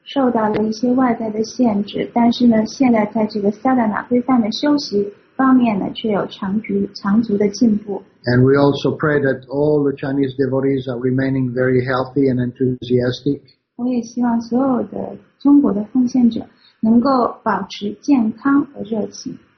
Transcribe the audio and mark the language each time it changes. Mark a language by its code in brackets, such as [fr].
[zh] 奉献者虽然受到了一些外在的限制, 但是呢, 现在在这个sadhana规范的休息, 方面呢, 却有长足, 长足的进步。 [en] And we also pray that all the Chinese devotees are remaining very healthy and enthusiastic. [zh] 我也希望所有的中国的奉献者能够保持健康和热情。